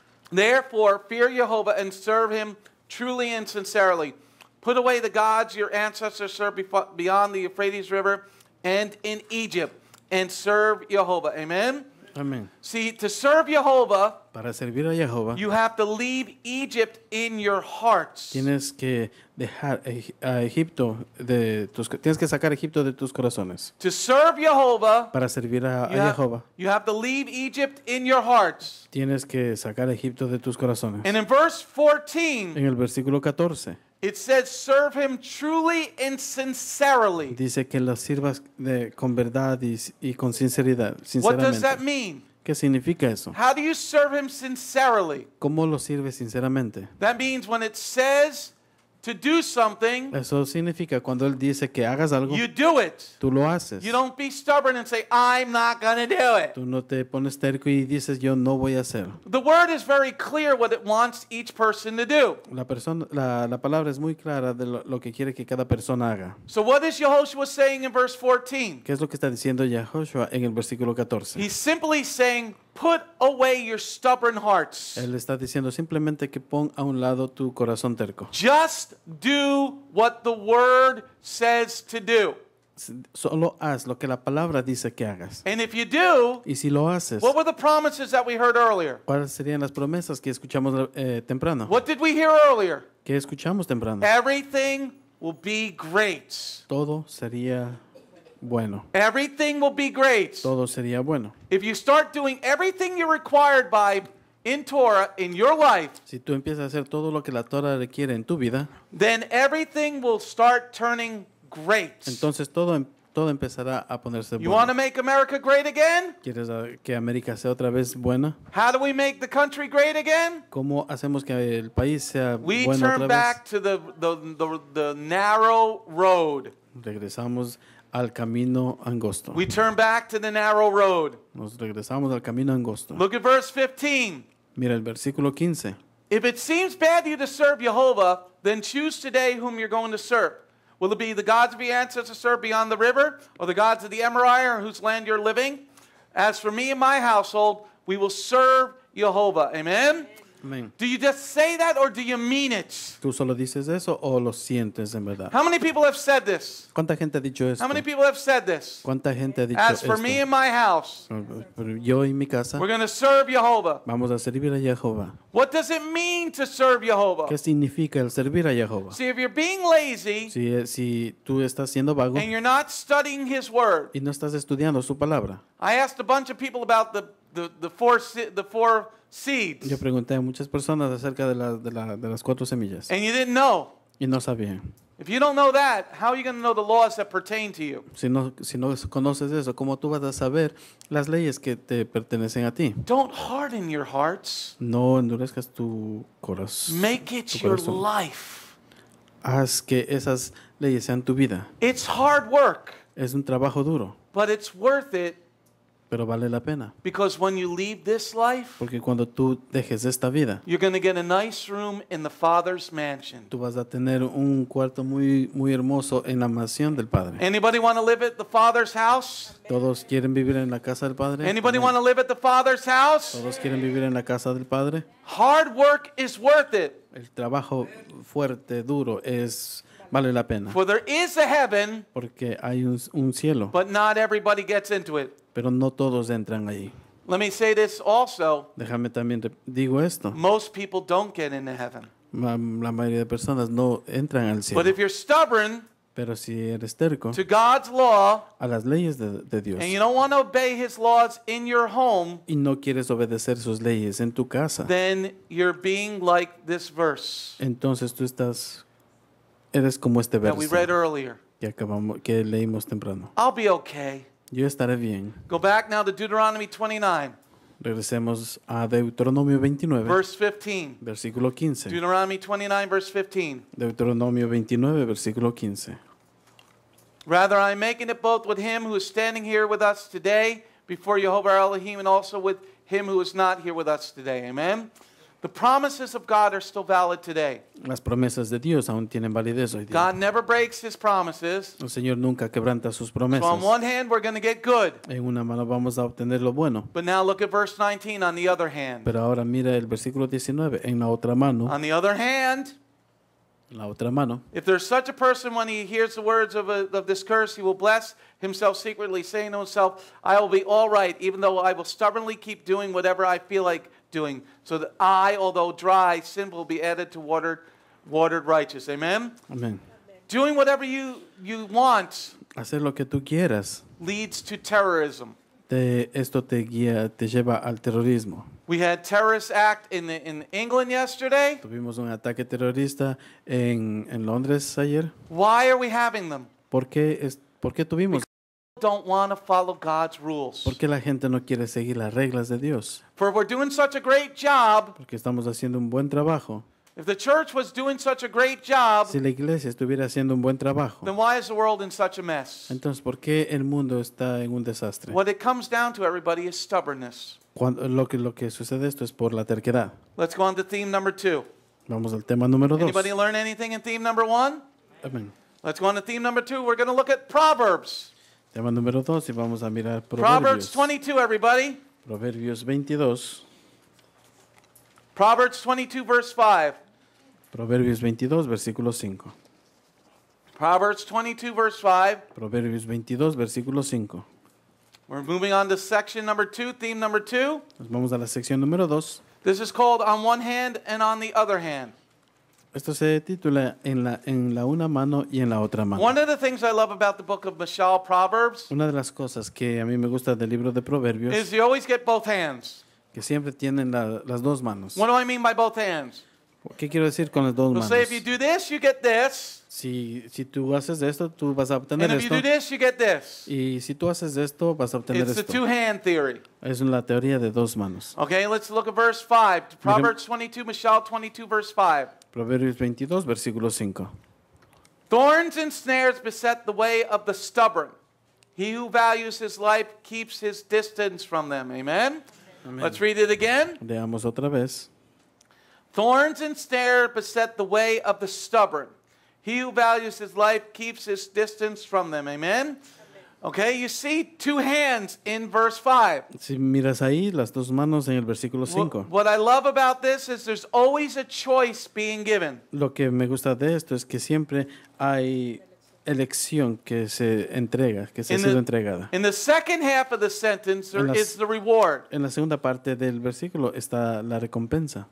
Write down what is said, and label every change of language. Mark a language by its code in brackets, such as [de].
[en] Therefore, fear Jehovah and serve him truly and sincerely. Put away the gods your ancestors served beyond the Euphrates River and in Egypt and serve Jehovah. Amen? Amen. See, to serve Jehovah, [es] para servir a Jehovah, [en] you have to leave Egypt in your hearts. [es] Tienes que dejar a Egipto de tus, tienes que sacar Egipto de tus corazones. [en] To serve Jehovah, [es] para servir a Jehovah, [en] you have to leave Egypt in your hearts. [es] Tienes que sacar Egipto de tus corazones. [en] And in verse 14, [es] en el versículo 14, [en] it says, serve him truly and sincerely. [es] Dice que lo sirvas de, con verdad y con sinceridad, sinceramente. [en] What does that mean? [es] ¿Qué significa eso? [en] How do you serve him sincerely? [es] ¿Cómo lo sirves sinceramente? [en] That means when it says to do something, [es] eso significa cuando él dice que hagas algo, [en] you do it. [es] Tú lo haces. [en] You don't be stubborn and say, I'm not going to do it. [es] Tú no te pones terco y dices, yo no voy a hacer. [en] The word is very clear what it wants each person to do. [es] La palabra es muy clara de lo que quiere que cada persona haga. [en] So what is Yehoshua saying in verse 14? [es] ¿Qué es lo que está diciendo Yehoshua en el versículo 14? [en] He's simply saying, put away your stubborn hearts. [es] Él está diciendo simplemente que pon a un lado tu corazón terco. [en] Just do what the word says to do. [es] Solo haz lo que la palabra dice que hagas. [en] And if you do, [es] y si lo haces, [en] what were the promises that we heard earlier? [es] ¿Cuáles serían las promesas que escuchamos temprano? [en] What did we hear earlier? [es] ¿Qué escuchamos temprano? [en] Everything will be great. [es] Todo sería bueno. [en] Everything will be great. [es] Todo sería bueno. [en] If you start doing everything you're required by in Torah in your life, [es] si tú empiezas a hacer todo lo que la Torah requiere en tu vida, [en] then everything will start turning great. [es] Entonces todo empezará a ponerse bueno. [en] You want to make America great again? [es] ¿Quieres que América sea otra vez buena? [en] How do we make the country great again? [es] ¿Cómo hacemos que el país sea [en] we [es] bueno [en] turn [es] otra [en] back [es] vez? [en] To the narrow road. [es] Regresamos al camino angosto. [en] We turn back to the narrow road. [es] Nos regresamos al camino angosto. [en] Look at verse 15. [es] Mira el versículo 15. [en] If it seems bad to you to serve Jehovah, then choose today whom you're going to serve. Will it be the gods of your ancestors served beyond the river, or the gods of the Amorite, or whose land you're living? As for me and my household, we will serve Jehovah. Amen? Amen. Do you just say that or do you mean it? [es] ¿Tú solo dices eso o lo sientes en verdad? [en] How many people have said this? [es] ¿Cuánta gente ha dicho esto? [en] How many people have said this? [es] ¿Cuánta gente ha dicho [en] as for [es] esto? [en] Me and my house, [es] yo y mi casa, [en] we're going to serve Jehovah. [es] Vamos a servir a Jehovah. [en] What does it mean to serve Jehovah? [es] ¿Qué significa el servir a Jehovah? [en] See, if you're being lazy, [es] si tú estás siendo vago, [en] and you're not studying his word, [es] y no estás estudiando su palabra. [en] I asked a bunch of people about the four seeds. [es] Yo pregunté a muchas personas acerca de las cuatro semillas. [en] And you didn't know. [es] Y no sabían. [en] If you don't know that, how are you going to know the laws that pertain to you? [es] Si no conoces eso, ¿cómo tú vas a saber las leyes que te pertenecen a ti? [en] Don't harden your hearts. [es] No endurezcas tu corazón. [en] Make it your life. [es] Haz que esas leyes sean tu vida. [en] It's hard work. [es] Es un trabajo duro. [en] But it's worth it. [es] Pero vale la pena. [en] Because when you leave this life, [es] porque cuando tú dejes esta vida, [en] you're going to get a nice room in the Father's mansion. [es] Tú vas a tener un cuarto muy, muy hermoso en la mansión del Padre. [en] Anybody want to live at the Father's house? [es] ¿Todos quieren vivir en la casa del Padre? [en] Anybody want to live at the Father's house? [es] ¿Todos quieren vivir en la casa del Padre? [en] Hard work is worth it. [es] El trabajo fuerte, duro, es vale la pena. [en] For there is a heaven, [es] porque hay un cielo. [en] But not everybody gets into it. [es] Pero no todos entran allí. [en] Let me say this also. [es] Déjame también digo esto. [en] Most people don't get into heaven. [es] La mayoría de personas no entran al cielo. [en] But if you're stubborn, [es] Pero si eres terco, [en] to God's law, [es] a las leyes de Dios, [en] and you don't want to obey His laws in your home, [es] y no quieres obedecer sus leyes en tu casa, [en] then you're being like this verse. [es] Entonces tú estás, eres como este verso [en] that we read earlier. [es] Que acabamos, que leímos temprano. [en] I'll be okay. [es] Yo estaré bien. [en] Go back now to Deuteronomy 29. [es] Regresemos a Deuteronomio 29. [en] Verse 15. [es] Versículo 15. [en] Deuteronomy 29, verse 15. [es] Deuteronomio 29, versículo 15. [en] Rather, I'm making it both with him who is standing here with us today before Jehovah Elohim and also with him who is not here with us today. Amen. The promises of God are still valid today. [es] Las promesas de Dios aún tienen validez hoy día. [en] God never breaks His promises. [es] El Señor nunca quebranta sus promesas. [en] So on one hand, we're going to get good. [es] En una mano vamos a obtener lo bueno. [en] But now look at verse 19 on the other hand. [es] Pero ahora mira el versículo 19 en la otra mano. [en] On the other hand, [es] la otra mano. [en] If there's such a person when he hears the words of this curse, he will bless himself secretly, saying to himself, I will be all right, even though I will stubbornly keep doing whatever I feel like doing, so that I, although dry, sin will be added to watered righteous. Amen? Amen. Doing whatever you want, [es] hacer lo que tú quieras, [en] leads to terrorism. [es] Esto te guía, te lleva al terrorismo. [en] We had terrorist act in England yesterday. [es] Tuvimos un ataque terrorista en Londres ayer. [en] Why are we having them? [es] ¿Por qué tuvimos? [en] Don't want to follow God's rules. [es] Porque la gente no quiere seguir las reglas de Dios. [en] For if we're doing such a great job. [es] Porque estamos haciendo un buen trabajo. [en] If the church was doing such a great job. [es] Si la iglesia estuviera haciendo un buen trabajo. [en] Then why is the world in such a mess? [es] Entonces, ¿por qué el mundo está en un desastre? [en] What it comes down to, everybody, is stubbornness. [es] Lo que sucede esto es por la terquedad. [en] Let's go on to theme number two. [es] Vamos al tema número dos. [en] Anybody learn anything in theme number one? Amen. Let's go on to theme number two. We're going to look at Proverbs. [es] Tema número dos y vamos a mirar Proverbios. [en] Proverbs 22, everybody. [es] Proverbios 22. [en] Proverbs 22, verse 5. [es] Proverbios 22, versículo 5. [en] Proverbs 22, verse 5. [es] Proverbios 22, versículo 5. [en] We're moving on to section number two, theme number two. [es] Nos vamos a la sección número dos. [en] This is called On One Hand and On the Other Hand. [es] Esto se titula en la una mano y en la otra mano. [en] One of the things I love about the book of Mishal Proverbs. [es] Una de las cosas que a mí me gusta del libro de Proverbios. [en] Is you always get both hands. [es] Que siempre tienen las dos manos. [en] What do I mean by both hands? [es] ¿Qué quiero decir con las dos manos? [en] Say if you do this, you get this. [es] Si tú haces esto, tú vas a obtener [en] and [es] esto. [en] And if you do this, you get this. [es] Y si tú haces esto, vas a obtener [en] it's [es] esto. [en] It's the two-hand theory. [es] Es la teoría de dos manos. [en] Okay, let's look at verse 5. Proverbs 22, Mishal 22, verse 5. [es] Proverbios 22, versículo 5. [en] Thorns and snares beset the way of the stubborn. He who values his life keeps his distance from them. Amen? Amen. Let's read it again. [es] Leamos otra vez. [en] Thorns and snares beset the way of the stubborn. He who values his life keeps his distance from them. Amen? Okay, you see two hands in verse 5. [es] Si miras ahí, las dos manos en el versículo 5. [en] What I love about this is there's always a choice being given. [es] Lo que me gusta de esto es que siempre hay elección que se entrega, que se ha sido entregada. [en] In the second half of the sentence, there is the reward. [es] En la segunda parte del versículo está la recompensa.